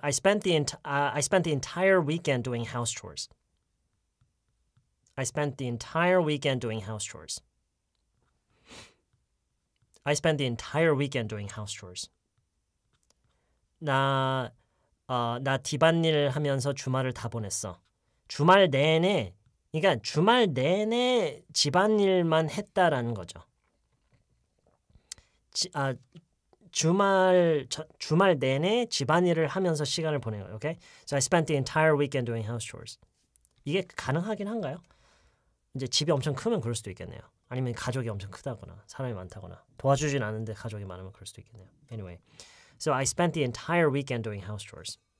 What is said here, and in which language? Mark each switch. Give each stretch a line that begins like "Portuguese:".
English: I spent the entire weekend doing house chores. I spent the entire weekend doing house chores. I spent the entire weekend doing house chores.
Korean: 나 집안일 하면서 주말을 다 보냈어. 주말 내내. 그러니까 주말 내내 집안일만 했다라는 거죠. 주말 내내 집안일을 하면서 시간을 보내요. 오케이? Okay?
English: So I spent the entire weekend doing house chores.
Korean: 이게 가능하긴 한가요? 이제 집이 엄청 크면 그럴 수도 있겠네요. 아니면 가족이 엄청 크다거나 사람이 많다거나 도와주진 않는데 가족이 많으면 그럴 수도 있겠네요.
English: Anyway. So I spent the entire weekend doing house chores.